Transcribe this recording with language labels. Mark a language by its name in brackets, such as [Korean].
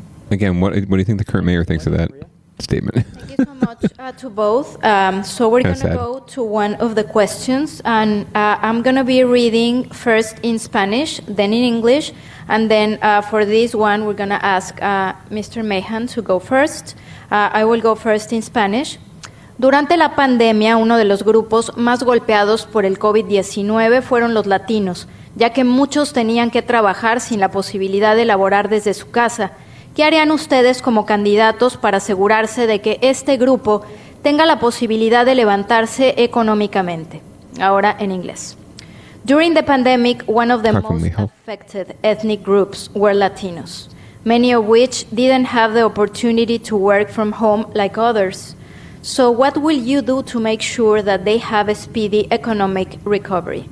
[English] Again, what do you think the current mayor thinks of that statement? Thank you so much to both. So we're going to go to one of the questions, and I'm going to be reading first in Spanish, then in English, and then for this one, we're going to ask Mr. Mahan to go first. I will go first in Spanish. [Spanish] Durante la pandemia, uno de los grupos más golpeados por el COVID-19 fueron los latinos, ya que muchos tenían que trabajar sin la posibilidad de laborar desde su casa. ¿Qué harían ustedes como candidatos para asegurarse de que este grupo tenga la posibilidad de levantarse económicamente? Ahora en inglés. [English] During the pandemic, one of the most affected ethnic groups were Latinos, many of which didn't have the opportunity to work from home like others. So what will you do to make sure that they have a speedy economic recovery?